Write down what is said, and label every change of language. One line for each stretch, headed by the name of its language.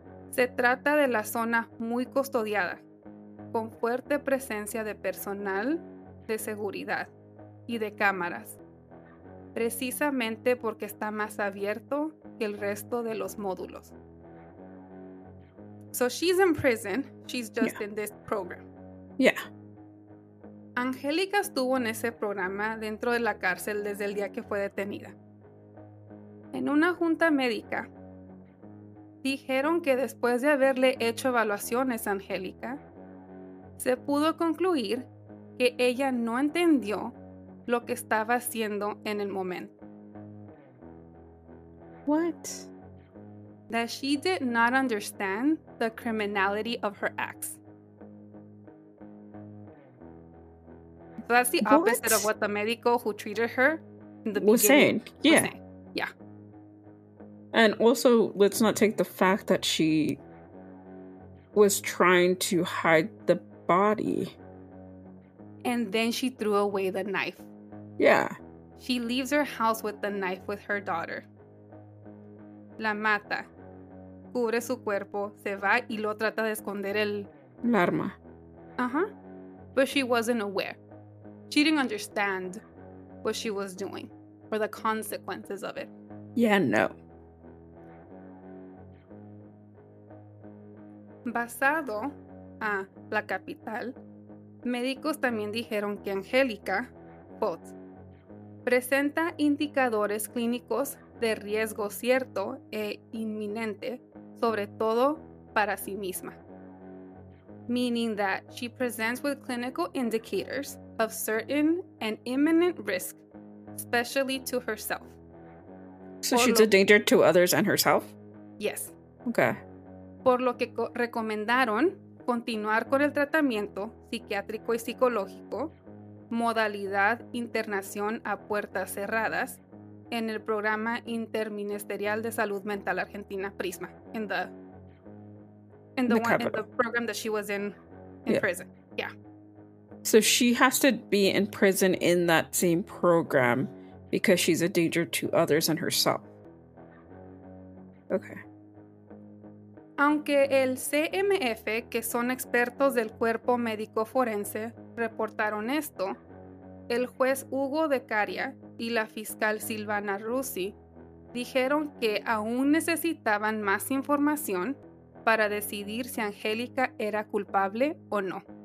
Spanish: Se trata de la zona muy custodiada, con fuerte presencia de personal de seguridad y de cámaras, precisamente porque está más abierto que el resto de los módulos.
English: So she's in prison, she's just yeah. in this program. Yeah.
Spanish: Angélica estuvo en ese programa dentro de la cárcel desde el día que fue detenida. En una junta médica, dijeron que después de haberle hecho evaluaciones a Angélica, se pudo concluir que ella no entendió lo que estaba haciendo en el momento.
English: What? That she did not understand the criminality of her acts. So that's the opposite of what the medical who treated her in the was saying. Yeah. Was saying. Yeah. And also, let's not take the fact that she was trying to hide the body. And then she threw away the knife. Yeah. She leaves her house with the knife with her daughter.
Spanish: La mata. Cubre su cuerpo. Se va y lo trata de esconder el... El arma.
English: Uh-huh. But she wasn't aware. She didn't understand what she was doing or the consequences of it. Yeah, no.
Spanish: Basado a la capital, médicos también dijeron que Angélica, quote, presenta indicadores clínicos de riesgo cierto e inminente, sobre todo para sí misma.
English: Meaning that she presents with clinical indicators of certain and imminent risk, especially to herself. So she's a danger to others and herself? Yes. Okay.
Spanish: Por lo que recomendaron continuar con el tratamiento psiquiátrico y psicológico, modalidad internación a puertas cerradas, en el programa interministerial de salud mental argentina, Prisma,
English: in the one, in the program that she was in yeah. prison. Yeah. So she has to be in prison in that same program because she's a danger to others and herself. Okay.
Spanish: Aunque el CMF, que son expertos del cuerpo médico forense, reportaron esto, el juez Hugo de Caria y la fiscal Silvana Rusi dijeron que aún necesitaban más información para decidir si Angélica era culpable o no.